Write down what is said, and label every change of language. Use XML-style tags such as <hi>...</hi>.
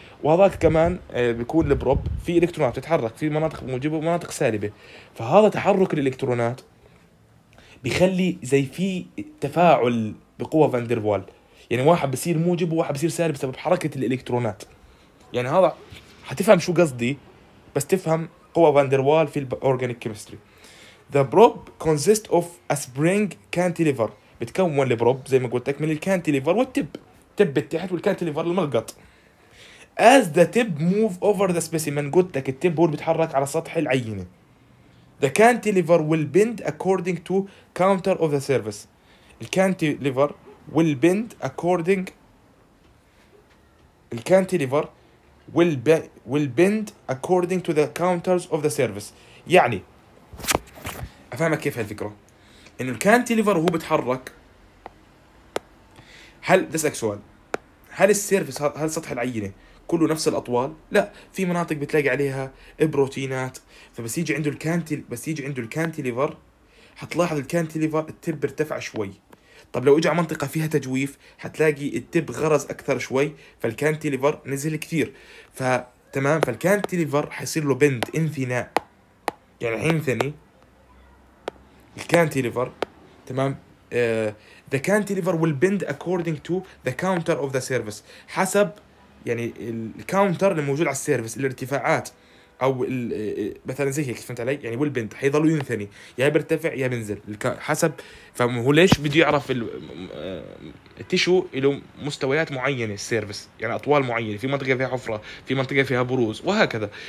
<ar>وهذاك كمان بيكون البروب في الكترونات بتتحرك في مناطق موجبه ومناطق سالبه، فهذا تحرك الالكترونات بيخلي زي في تفاعل بقوه فان دير وال، يعني واحد بصير موجب وواحد بصير سالب بسبب حركه الالكترونات. يعني هذا حتفهم شو قصدي، بس تفهم قوه فان دير وال في الاورجانيك كيمستري.</ar> <en>The probe consists of a spring cantilever.</en> <ar>بتكون البروب زي ما قلت لك من الكانتيليفر والتب، تب التحت والكانتيليفر الملقط.</ar> <en>As the tip move over the specimen،</en> <ar>قلت لك التب هو اللي بتحرك على سطح العينة.</ar> <en>The cantilever will bend according to counter of the surface. الكانتيليفر will bend according. الكانتيليفر will bend according to the counters of the surface.</en> <ar>يعني أفهمك كيف هالفكرة؟ إنه الكانتيليفر هو بتحرك. هل بسألك سؤال، هل السيرفس، هل سطح العينة كله نفس الأطوال؟ لا، في مناطق بتلاقي عليها بروتينات، فبس يجي عنده الكانتيليفر حتلاحظ الكانتيليفر التب ارتفع شوي. طب لو إجى منطقة فيها تجويف حتلاقي التب غرز أكثر شوي، فالكانتيليفر نزل كثير. فتمام، فالكانتيليفر حيصير له بند، انثناء، يعني عين ثاني الكانتيليفر. تمام،</ar> <en>the cantilever will bend according to the counter of the service.</en> <ar>حسب يعني الكاونتر الموجود على السيرفس الارتفاعات او مثلا زي هيك، فهمت علي؟ يعني والبنت حيظلوا ينثني، يا بيرتفع يا بنزل حسب. فهو ليش بده يعرف التشو له مستويات معينه السيرفس، يعني اطوال معينه، في منطقه فيها حفره، في منطقه فيها بروز وهكذا.</ar>